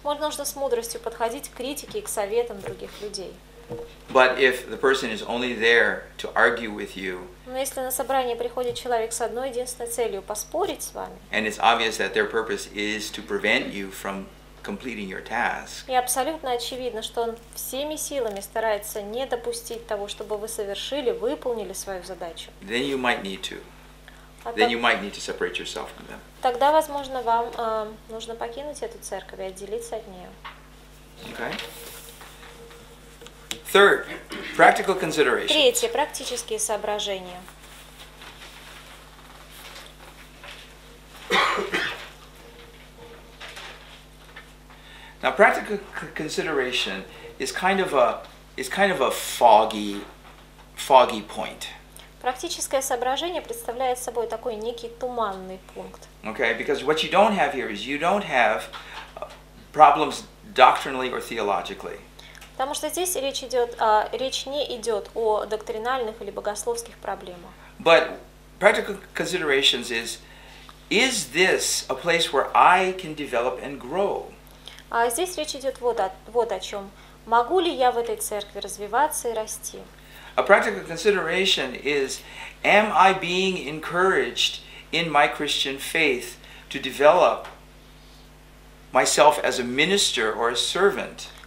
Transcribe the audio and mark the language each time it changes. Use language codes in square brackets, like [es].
[ru] Нужно с мудростью подходить к критике и к советам других людей. [en] But if the person is only there to argue with you, [ru] но если на собрание приходит человек с одной единственной целью поспорить с вами, [en] and it's obvious that their purpose is to prevent you from completing your task, [ru] и абсолютно очевидно, что он всеми силами старается не допустить того, чтобы вы совершили, выполнили свою задачу, [en] then you might need to. Then you might need to separate yourself from them. [ru] Тогда, возможно, вам нужно покинуть эту церковь и отделиться от нее. [en] Okay. Third, practical considerations. [ru] Третье, практические соображения. [en] Now, practical consideration is kind of a foggy point. [ru] Практическое соображение представляет собой такой некий туманный пункт. [en] Okay, because what you don't have here is you don't have problems doctrinally or theologically. [ru] Потому что здесь речь не идет о доктринальных или богословских проблемах. [en] But practical considerations is this a place where I can develop and grow? [ru] А здесь речь идет вот о чем. Могу ли я в этой церкви развиваться и расти? [en] A practical consideration is, am I being encouraged in my Christian faith to develop myself as a minister or a servant?